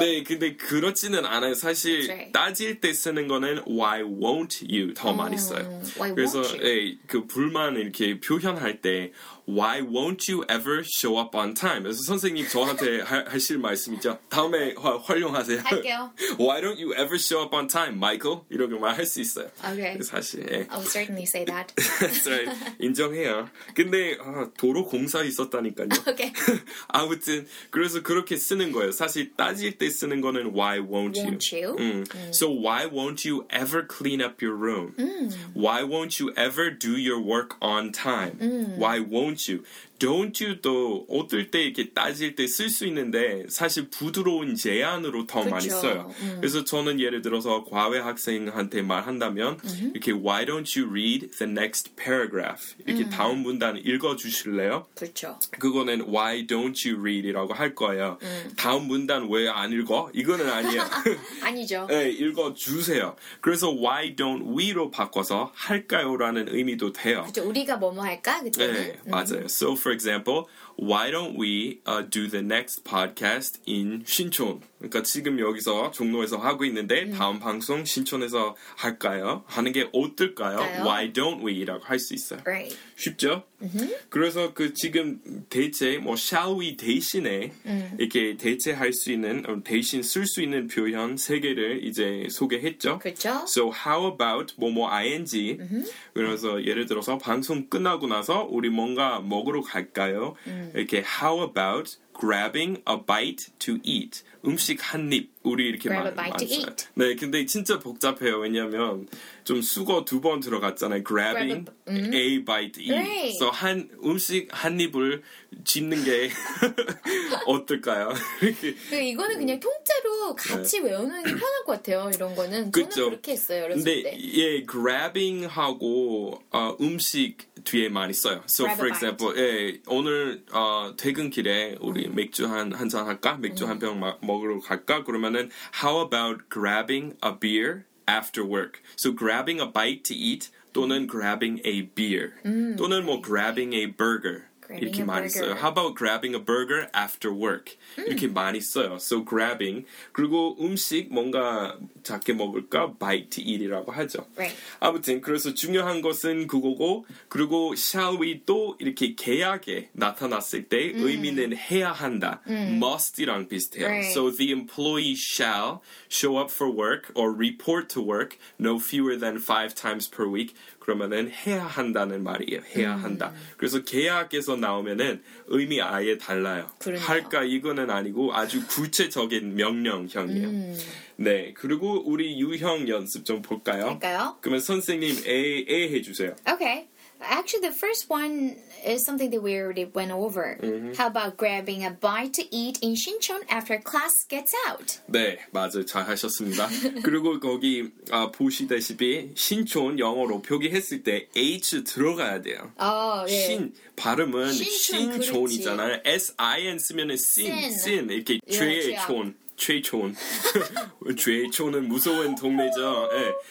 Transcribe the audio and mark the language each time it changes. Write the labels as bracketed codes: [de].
[ko] 네, 근데 그렇지는 않아요. 사실 [en] right. [ko] 따질 때 쓰는 거는 [en] why won't you [ko] 더 많이 써요. [en] Why [ko] 그래서 [en] won't you? [ko] 네, 그 불만 이렇게 표현할 때 [en] why won't you ever show up on time? [ko] 그래서 선생님 저한테 하실 말씀이죠. 다음에 활용하세요. 할게요. [en] Why don't you ever show up on time, Michael? [ko] 이렇게 말할 수 있어요. [en] Okay. [ko] 사실. 네. [en] I'll certainly say that. That's right. [ko] 인정해요. 근데 아, 도로 공사 있었다니까요. [en] Okay. [ko] 아무튼 그래서 그렇게 쓰는 거예요. 사실 따질 때 쓰는 거는 [en] why won't you? Won't you? So why won't you ever clean up your room? Why won't you ever do your work on time? Why won't you? Don't you [ko] 도 어떨 때 이렇게 따질 때 쓸 수 있는데 사실 부드러운 제안으로 더 그쵸. 많이 써요. 그래서 저는 예를 들어서 과외 학생한테 말한다면 이렇게 [en] Why don't you read the next paragraph? [ko] 이렇게 다음 문단 읽어주실래요? 그렇죠. 그거는 [en] Why don't you read [ko] 이라고 할 거예요. 다음 문단 왜 안 읽어? 이거는 아니에요. 아니죠. 네, 읽어주세요. 그래서 [en] Why don't we [ko] 로 바꿔서 할까요? 라는 의미도 돼요. 그렇죠. 우리가 뭐뭐 할까? 그때는? 네, 맞아요. [en] So for example, why don't we do the next podcast in 신촌? [ko] 그러니까 지금 여기서 종로에서 하고 있는데 다음 방송 신촌에서 할까요? 하는 게 어떨까요? 까요? [en] Why don't we? [ko] 라고 할 수 있어요. [en] Right. [ko] 쉽죠? Mm-hmm. 그래서 그 지금 대체 뭐 [en] shall we [ko] 대신에 이렇게 대체할 수 있는 대신 쓸 수 있는 표현 세 개를 이제 소개했죠. 그렇죠. [en] So how about [ko] 뭐뭐 [en] ing? [ko] 그래서 예를 들어서 방송 끝나고 나서 우리 뭔가 먹으러 갈까요? 이렇게 [en] how about grabbing a bite to eat? [ko] 음식 한 입 우리 이렇게 [en] grab a bite [ko] 많잖아요. [en] To eat. [ko] 네, 근데 진짜 복잡해요. 왜냐하면 좀 수거 두 번 들어갔잖아요. [en] Grabbing grab a bite to eat. Right. [ko] So 한 음식 한 입을 짓는 게 어떨까요? 이거는 그냥 통째로 같이 네. 외우는 게 편할 것 같아요. 이런 거는 그쵸? 저는 그렇게 했어요. 어렸을 근데 때. 예, grabbing 하고 음식 뒤에 많이 써요. So [en] grab [ko] for example, 예, 오늘 퇴근길에 우리 맥주 한잔 할까? 맥주 한 병 먹으러 갈까? [en] 그러면은 how about grabbing a beer after work? So grabbing a bite to eat 또는 grabbing a beer 또는 뭐 grabbing a burger. [ko] 이렇게 [en] a 많이 burger. [ko] 써요. [en] How about grabbing a burger after work? 이렇게 많이 써요. So grabbing. [ko] 그리고 음식 뭔가 작게 먹을까? [en] Bite to eat [ko] 이라고 하죠. [en] Right. [ko] 아무튼 그래서 중요한 것은 그거고 그리고 [en] shall we [ko] 또 이렇게 계약에 나타났을 때 의미는 해야 한다. Must이랑 비슷해요. [en] Right. So the employee shall show up for work or report to work no fewer than 5 times per week. [ko] 그러면은 해야 한다는 말이에요. 해야 한다. 그래서 계약에서 나오면은 의미 아예 달라요. 그러네요. 할까 이거는 아니고 아주 구체적인 명령형이에요. 네. 그리고 우리 유형 연습 좀 볼까요? 할까요? 그러면 선생님 A 해주세요. [en] Okay. Actually, the first one is something that we already went over. How about grabbing a bite to eat in Shincheon after class gets out? [ko] 네, 맞아요. 잘 하셨습니다. 그리고 거기 보시다시피 신촌 영어로 표기했을 때 H 들어가야 돼요. 어, 예. 신, 발음은 신촌이잖아요. S-I-N 쓰면 sin, sin. 이렇게 죄촌. 최촌. 최촌은 무서운 동네죠. 네.